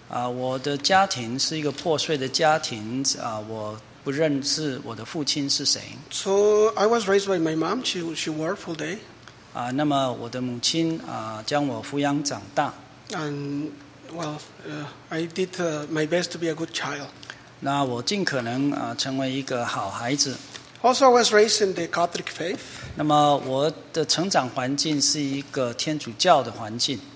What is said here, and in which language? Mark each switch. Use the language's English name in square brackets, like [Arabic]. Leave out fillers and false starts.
[Chinese] 我的家庭是一个破碎的家庭，我不认识我的父亲是谁。 [English] So I was raised by my mom. She worked full day. [Chinese] 那么我的母亲将我抚养长大。 [English] And well, I did my best to be a good child. [Chinese] 那我尽可能成为一个好孩子。 [English] Also, I was raised in the Catholic faith. [Chinese] 那么我的成长环境是一个天主教的环境。